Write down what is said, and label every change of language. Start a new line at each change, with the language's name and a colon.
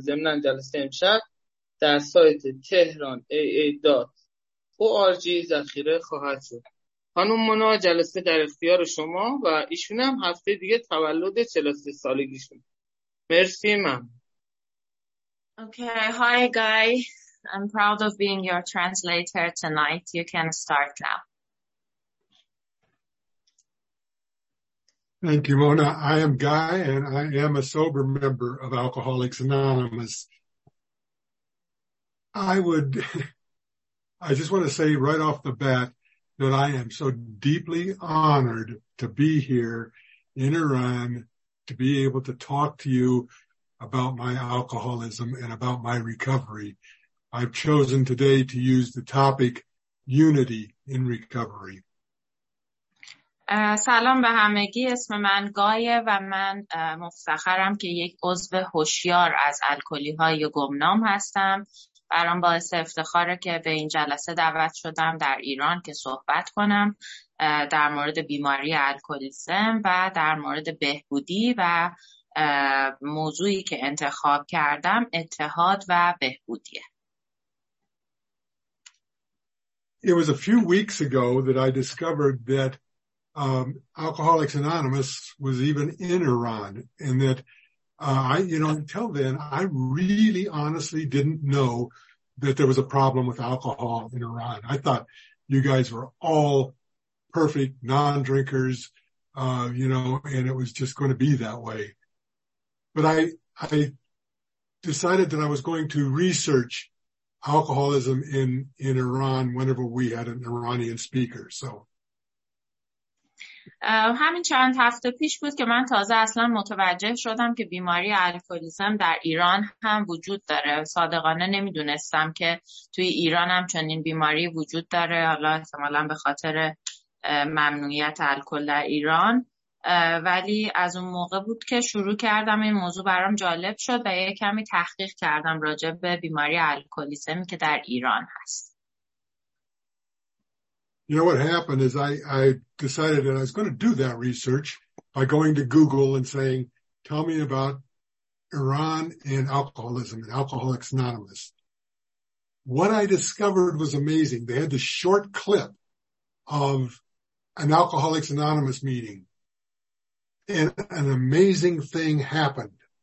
Persian: ضمن جلسه امشب در سایت تهران aa.org ذخیره خواهد شد. خانم منا، جلسه در اختیار شما و ایشونم هفته دیگه تولد 43 سالگیشون. مرسی مام.
English: Okay, hi guy. I'm proud of being your translator tonight. You can start now. Thank you, Mona. I am Guy and I am a sober member of Alcoholics Anonymous. I just want to say right off the bat that I am so deeply honored to be here in Iran to be able to talk to you about my alcoholism and about my recovery. I've chosen today to use the topic unity in recovery.
Persian: سلام به همگی، اسم من گایه و من مفتخرم که یک عضو هوشیار از الکلی‌های گمنام هستم. برام باعث افتخاره که به این جلسه دعوت شدم در ایران که صحبت کنم در مورد بیماری الکلیسم و در مورد بهبودی و موضوعی که انتخاب کردم اتحاد و بهبودیه.
English: It was a few weeks ago that I discovered that Alcoholics Anonymous was even in Iran, and that until then I really honestly didn't know that there was a problem with alcohol in Iran. I thought you guys were all perfect non-drinkers, and it was just going to be that way. But I decided that I was going to research alcoholism in Iran whenever we had an Iranian speaker. So
Persian: همین چند هفته پیش بود که من تازه اصلا متوجه شدم که بیماری الکلیسم در ایران هم وجود داره. صادقانه نمیدونستم که توی ایران هم چنین بیماری وجود داره، حالا احتمالا به خاطر ممنوعیت الکل در ایران. ولی از اون موقع بود که شروع کردم این موضوع برام جالب شد و یک کمی تحقیق کردم راجع به بیماری الکلیسمی که در ایران هست.
English: You know what happened is I decided that I was going to do that research by going to Google and saying, tell me about Iran and alcoholism and Alcoholics Anonymous. What I discovered was amazing. They had this short clip of an Alcoholics Anonymous meeting, and an amazing thing happened.